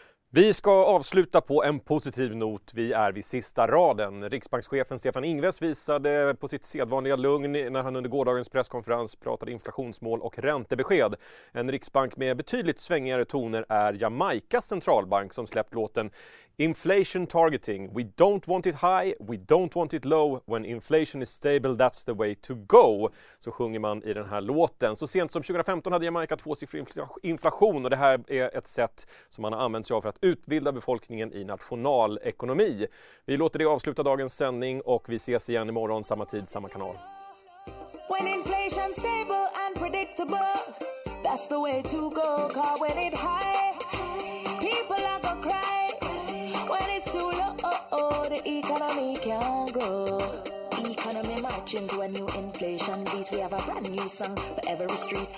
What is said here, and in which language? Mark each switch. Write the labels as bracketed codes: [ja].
[sv] Vi ska avsluta på en positiv not. Vi är vid sista raden. Riksbankschefen Stefan Ingves visade på sitt sedvanliga lugn när han under gårdagens presskonferens pratade inflationsmål och räntebesked. En riksbank med betydligt svängigare toner är Jamaikas centralbank som släppt låten Inflation Targeting. [en] We don't want it high, we don't want it low. When inflation is stable, that's the way to go. [sv] Så sjunger man i den här låten. Så sent som 2015 hade Jamaica tvåsiffrig inflation och det här är ett sätt som man har använt sig av för att utbilda befolkningen i nationalekonomi. Vi låter det avsluta dagens sändning och vi ses igen imorgon, samma tid, samma kanal. [en] When inflation is stable and predictable, that's the way to go. Cause when it high, people are gonna cry. When it's too low, the economy can't grow. Economy marching to a new inflation beat. We have a brand new song for every street.